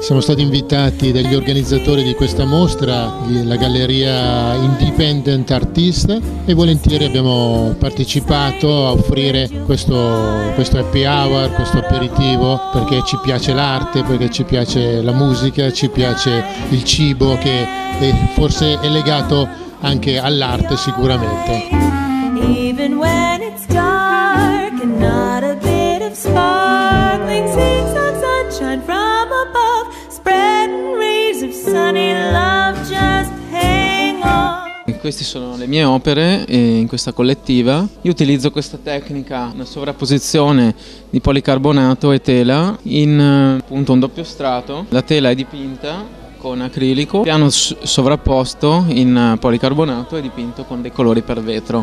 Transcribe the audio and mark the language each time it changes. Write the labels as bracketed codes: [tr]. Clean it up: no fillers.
[it] Siamo stati invitati dagli organizzatori di questa mostra, la galleria Independent Artist, e volentieri abbiamo partecipato a offrire questo happy hour, questo aperitivo, perché ci piace l'arte, perché ci piace la musica, ci piace il cibo, che è, forse è legato anche all'arte sicuramente. [en] Even when it's dark and not a bit of sparkling seeds of sunshine from above, spreading rays of sunny love, just hang on. [it] Queste sono le mie opere in questa collettiva. Io utilizzo questa tecnica, una sovrapposizione di policarbonato e tela in appunto un doppio strato. La tela è dipinta con acrilico, piano sovrapposto in policarbonato e dipinto con dei colori per vetro.